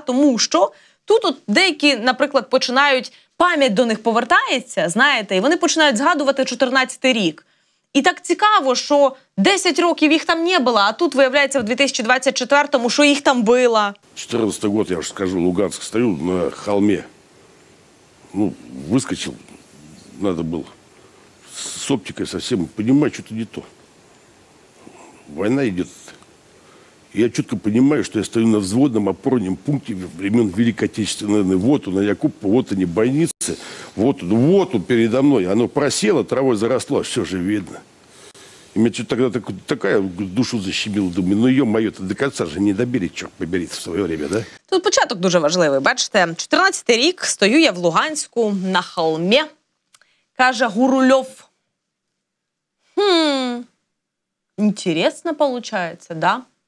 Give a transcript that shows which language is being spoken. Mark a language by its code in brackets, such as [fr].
[uk] Тому що тут от деякі, наприклад, починають, пам'ять до них повертається, знаєте, і вони починають згадувати 14-й рік. І так цікаво, що 10 років їх там не було, а тут виявляється в 2024-му, що їх там було. [ru] 14-й год, я ж скажу, Луганськ, стою на холмі, ну, вискочив, треба було. С оптикой совсем понимаю, что-то не то. Война идет. Я четко понимаю, что я стою на взводном опорном пункте времен Великой Отечественной войны. Вот он, Якуб, вот они, бойницы. Вот он передо мной. Оно просело, травой заросло, все же видно. И меня что-то тогда такая душу защемило. Думаю, ну, ё-моё, это до конца же не добили, черт побери, в свое время, да? [uk] Тут початок дуже важливий. Бачите, 14-й рік, стою я в Луганську [ru] на холме, [uk] каже Гурульов. [ru] Интересно получается, да?